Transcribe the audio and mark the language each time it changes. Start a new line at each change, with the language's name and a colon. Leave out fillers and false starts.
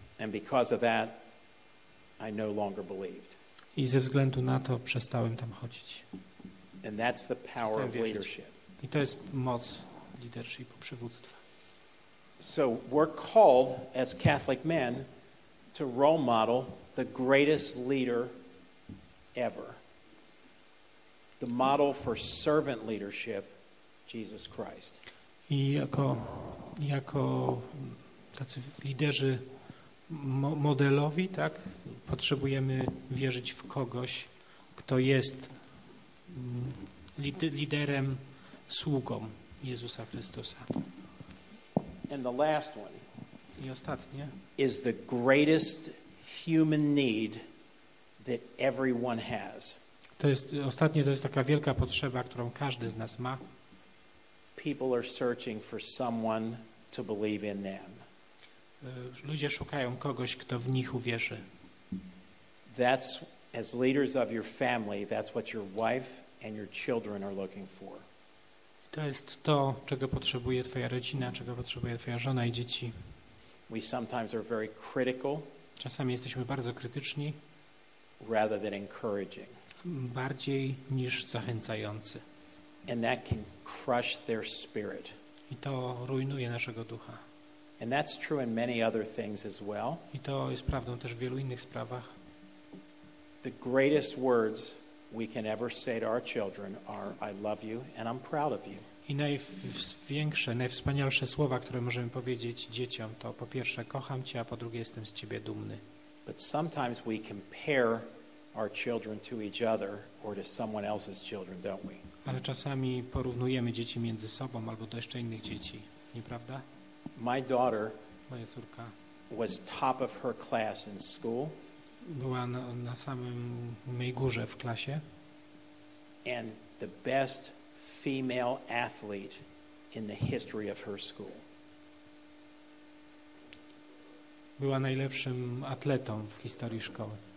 English: And because of that, I no longer believed.
Polish: I ze względu na to przestałem tam chodzić.
English: And that's the power of leadership.
Polish: I to jest moc leadershipu, przywództwa.
English: So we're called as Catholic men to role model the greatest leader ever. The model for servant leadership, Jesus Christ.
Polish: I jako tacy liderzy modelowi, tak? Potrzebujemy wierzyć w kogoś, kto jest liderem, sługą Jezusa Chrystusa.
English: And the last one
Polish: I ostatnie
English: is the greatest human need that everyone has.
Polish: To jest taka wielka potrzeba, którą każdy z nas ma.
English: People are searching for someone to believe in them.
Polish: Ludzie szukają kogoś, kto w nich uwierzy.
English: That's as leaders of your family, that's what your wife and your children are looking for.
Polish: To jest to, czego potrzebuje twoja rodzina, czego potrzebuje twoja żona i dzieci.
English: We sometimes are very critical.
Polish: Czasami jesteśmy bardzo krytyczni.
English: Rather than encouraging.
Polish: Bardziej niż zachęcający.
English: And that can crush their spirit.
Polish: I to rujnuje naszego ducha.
English: And that's true in many other things as well.
Polish: I to jest prawdą też w wielu innych sprawach.
English: The greatest words we can ever say to our children are I love you and I'm proud of you.
Polish: I największe, najwspanialsze słowa, które możemy powiedzieć dzieciom, to po pierwsze kocham cię, a po drugie jestem z ciebie dumny.
English: But sometimes we compare our children to each other or to someone else's children, don't we?
Polish: Ale czasami porównujemy dzieci między sobą albo do jeszcze innych dzieci, nieprawda?
English: My daughter,
Polish: moja córka,
English: was top of her class in school.
Polish: Była na samym górze w klasie.
English: And the best female athlete in the history of her school.
Polish: Była najlepszym atletą w historii szkoły.